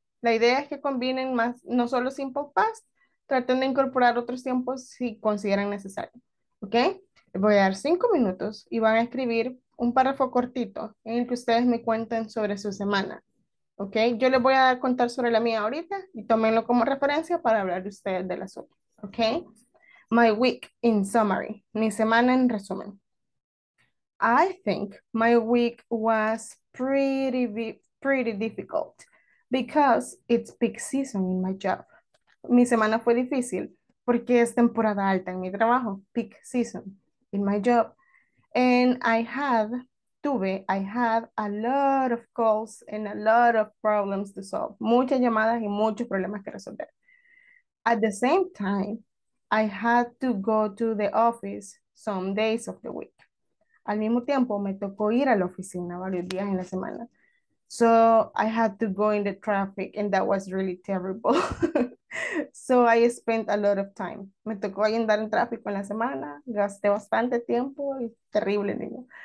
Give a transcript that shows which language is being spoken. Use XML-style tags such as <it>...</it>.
<es>La idea es que combinen más, no solo simple past, traten de incorporar otros tiempos si consideran necesario, ¿ok? Voy a dar 5 minutos y van a escribir un párrafo cortito en el que ustedes me cuenten sobre su semana, ¿ok? Yo les voy a dar contar sobre la mía ahorita y tómenlo como referencia para hablar de ustedes de la suya, ¿ok?</es> <en>My week in summary,</en> <es>mi semana en resumen.</es> <en>I think my week was pretty difficult because it's peak season in my job.</en> <es>Mi semana fue difícil porque es temporada alta en mi trabajo,</es> <en>peak season in my job. I had a lot of calls and a lot of problems to solve.</en> <es>Muchas llamadas y muchos problemas que resolver.</es> <en>At the same time, I had to go to the office some days of the week.</en> <es>Al mismo tiempo, me tocó ir a la oficina varios días en la semana.</es> <en>So I had to go in the traffic and that was really terrible. So I spent a lot of time.</en> <es>Me tocó ahí andar en tráfico en la semana, gasté bastante tiempo y terrible, niño.</es>